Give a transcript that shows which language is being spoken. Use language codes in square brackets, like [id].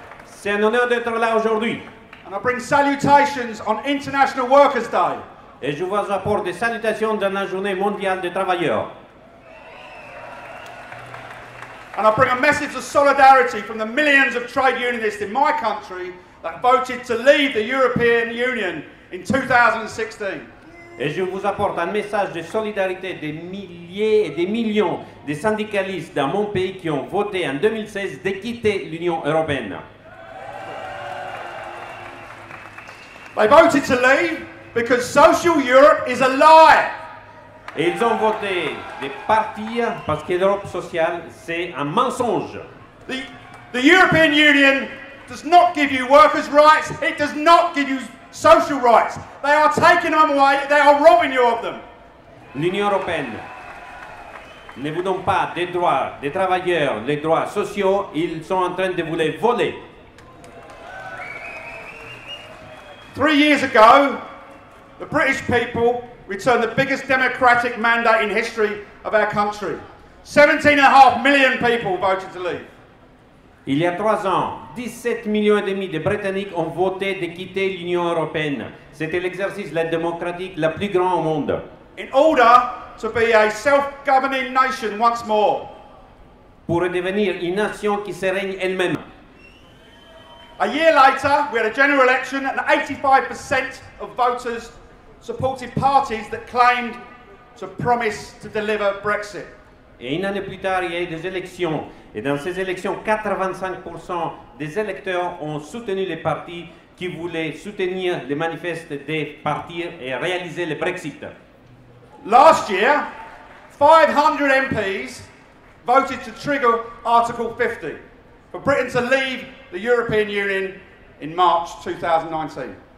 [fr] C'est un honneur d'être là aujourd'hui. [en] And I bring salutations on International Workers' Day. [fr] Et je vous apporte des salutations dans la Journée mondiale des travailleurs. [en] And I bring a message of solidarity from the millions of trade unionists in my country that voted to leave the European Union in 2016. [fr] Et je vous apporte un message de solidarité des milliers et des millions de syndicalistes dans mon pays qui ont voté en 2016 de quitter l'Union européenne. [en] They voted to leave because social Europe is a lie. [fr] Et ils ont voté de partir parce que l'Europe sociale, c'est un mensonge. [en] The European Union does not give you workers' rights, it does not give you social rights. They are taking them away, they are robbing you of them. [fr] L'Union européenne ne vous donne pas des droits des travailleurs, les droits sociaux, ils sont en train de vous les voler. [en] 3 years ago, the British people returned the biggest democratic mandate in history of our country. 17.5 million people voted to leave. [fr] Il y a 3 ans, 17 millions et demi de Britanniques ont voté de quitter l'Union européenne. C'était l'exercice la démocratique la plus grand au monde. [en] In order to be a self-governing nation once more. [fr] Pour devenir une nation qui se règne elle-même. [en] A year later, we had a general election and 85% of voters supported parties that claimed to promise to deliver Brexit. [fr] Et une année plus tard, il y a eu des élections. Et dans ces élections, 85% des électeurs ont soutenu les partis qui voulaient soutenir les manifestes de partir et réaliser le Brexit. [en] Last year, 500 MPs voted to trigger Article 50 for Britain to leave the European Union in March 2019.